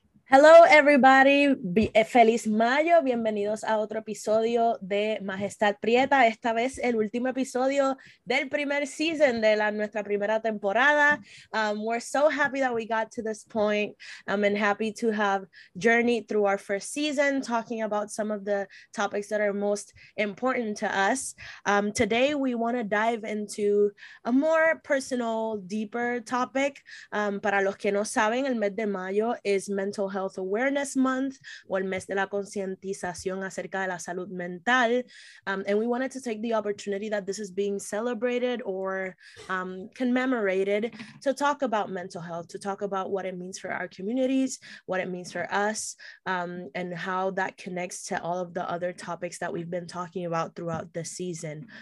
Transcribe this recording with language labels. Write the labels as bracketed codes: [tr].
[en] Hello everybody, [es] feliz mayo, bienvenidos a otro episodio de Majestad Prieta, esta vez el último episodio del primer season de nuestra primera temporada. [en] We're so happy that we got to this point. I'm happy to have journeyed through our first season, talking about some of the topics that are most important to us. Today we want to dive into a more personal, deeper topic. [es] Para los que no saben, el mes de mayo [en] is Mental Health Awareness Month, [es] o el mes de la concientización acerca de la salud mental. [en] And we wanted to take the opportunity that this is being celebrated or commemorated to talk about mental health, to talk about what it means for our communities, what it means for us, and how that connects to all of the other topics that we've been talking about throughout the season.